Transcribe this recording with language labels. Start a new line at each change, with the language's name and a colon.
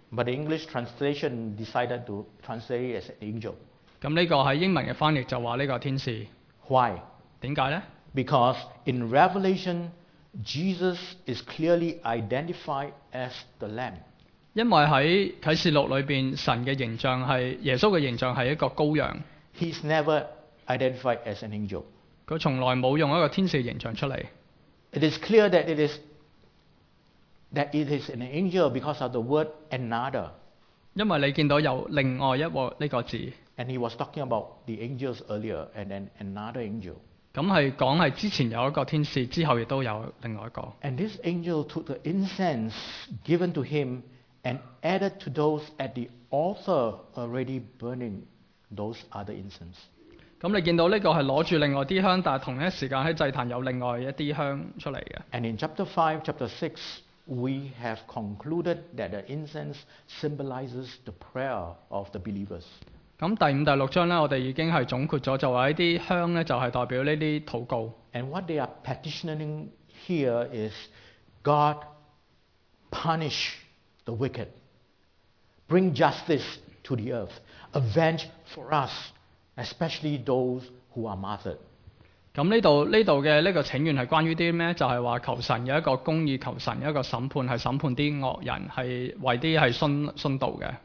English: But the English translation decided to translate it as an angel.
Cantonese: 咁呢个喺英文嘅翻译就话呢个天使。
English: Why?
Cantonese: 点解呢
English: ？Because in Revelation, Jesus is clearly identified as the Lamb.
Cantonese: 因为喺启示录里边，神嘅形象系耶稣嘅形象系一个羔羊。
English: He's never identified as an angel.
Cantonese: 佢从来冇用一个天使形象出嚟。
English: It is clear that it is. That it is an angel because of the word another.
Cantonese: 因为你见到有另外一个呢个字。
English: And he was talking about the angels earlier, and then another angel.
Cantonese: 咁系讲系之前有一个天使，之后亦都有另外一个。
English: And this angel took the incense given to him and added to those at the altar already burning those other incense.
Cantonese: 咁你见到呢个系攞住另外啲香，但系同一时间喺祭坛有另外一啲香出嚟嘅。
English: And in chapter 5, chapter 6. We have concluded that the incense symbolizes the prayer of the believers.
Cantonese: 咁第五、第六章咧，我哋已经系总括咗，就话呢啲香咧就系代表呢啲祷告。
English: And what they are petitioning here is God punish the wicked, bring justice to the earth, avenge for us, especially those who are martyred.
Cantonese: 咁呢度嘅呢个请愿系关于啲咩？就系、话求神有一个公义，求神有一个审判，系审判啲恶人，系为啲系殉道嘅。